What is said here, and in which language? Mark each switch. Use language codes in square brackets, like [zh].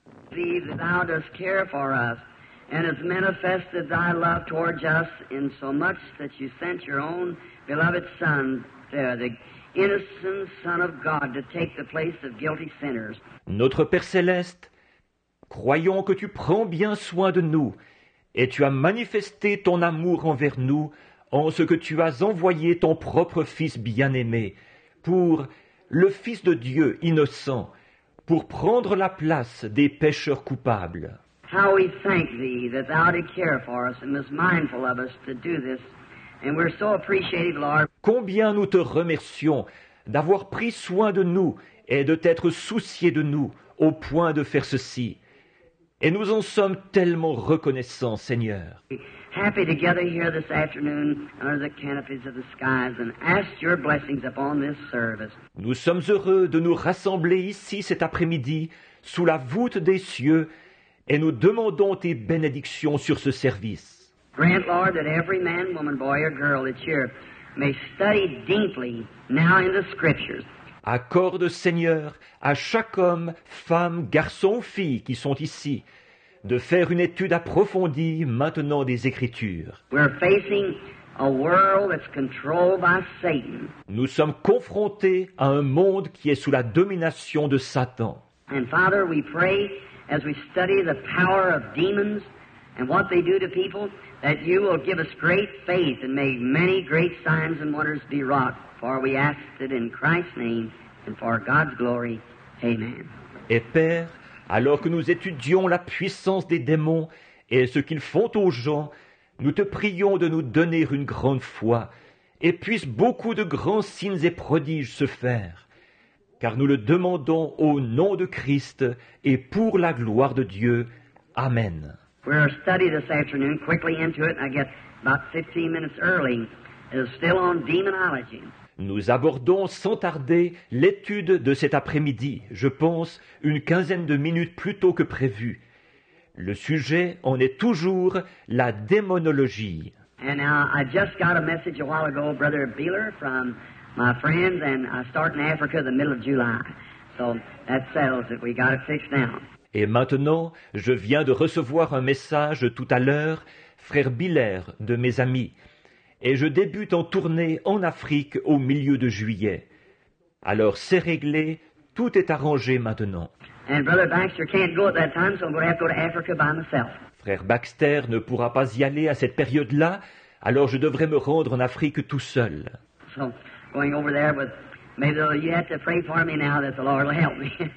[en] Believe that thou dost care for us, and hast manifested thy love towards us in so much that you sent your own beloved Son there, the innocent Son of God, to take the place of guilty sinners. [fr] Notre Père Céleste, croyons que tu prends bien soin de nous et tu as manifesté ton amour envers nous en ce que tu as envoyé ton propre Fils bien-aimé pour le Fils de Dieu innocent, pour prendre la place des pécheurs coupables. [en] How we thank thee that thou didst care for us and was mindful of us to do this. And we're so appreciative, Lord. [fr] Combien nous te remercions d'avoir pris soin de nous et de t'être soucié de nous au point de faire ceci. Et nous en sommes tellement reconnaissants, Seigneur. [en] Happy together here this afternoon under the canopies of the skies and ask your blessings upon this service. [fr] Nous sommes heureux de nous rassembler ici cet après-midi sous la voûte des cieux et nous demandons tes bénédictions sur ce service. [en] Grant, Lord, that every man, woman, boy or girl that's here may study deeply now in the scriptures. [fr] Accorde, Seigneur, à chaque homme, femme, garçon ou fille qui sont ici, de faire une étude approfondie maintenant des Écritures. [en] We're facing a world that's controlled by Satan. [fr] Nous sommes confrontés à un monde qui est sous la domination de Satan. [en] And Father, we pray as we study the power of demons and what they do to people, that you will give us great faith and may many great signs and wonders be wrought. For we ask it in Christ's name and for God's glory. Amen. [fr] Et Père, alors que nous étudions la puissance des démons et ce qu'ils font aux gens, nous te prions de nous donner une grande foi et puisse beaucoup de grands signes et prodiges se faire. Car nous le demandons au nom de Christ et pour la gloire de Dieu. Amen. [en] We're studying this afternoon, quickly into it, I guess about 15 minutes early, is still on demonology. [fr] Nous abordons sans tarder l'étude de cet après-midi, je pense, une quinzaine de minutes plus tôt que prévu. Le sujet en est toujours la démonologie. [en] And I just got a message a while ago, Brother Beeler, from my friends, and I start in Africa the middle of July. So that settles it. We got it fixed now. [fr] Et maintenant, je viens de recevoir un message tout à l'heure, Frère Biller, de mes amis. Et je débute en tournée en Afrique au milieu de juillet. Alors c'est réglé, tout est arrangé maintenant. [en] And Brother Baxter can't go at that time, so I'm going to have to go to Africa by myself. [fr] Frère Baxter ne pourra pas y aller à cette période-là, alors je devrais me rendre en Afrique tout seul. [en] So going over there, but maybe you have to pray for me now that the Lord will help me.